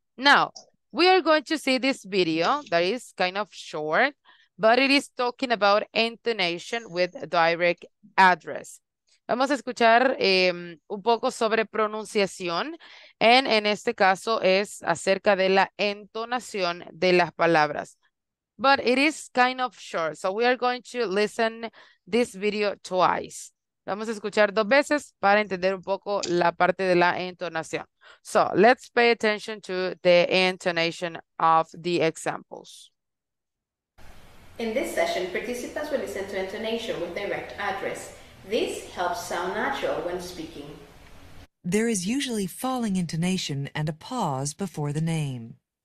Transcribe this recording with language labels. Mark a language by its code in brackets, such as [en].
[en] Now, we are going to see this video that is kind of short, but it is talking about intonation with direct address. [es] Vamos a escuchar un poco sobre pronunciación, and en este caso es acerca de la entonación de las palabras. [en] But it is kind of short, so we are going to listen this video twice. [es] Vamos a escuchar 2 veces para entender un poco la parte de la entonación. [en] So, let's pay attention to the intonation of the examples. In this session, participants will listen to intonation with direct address. This helps sound natural when speaking. There is usually falling intonation and a pause before the name.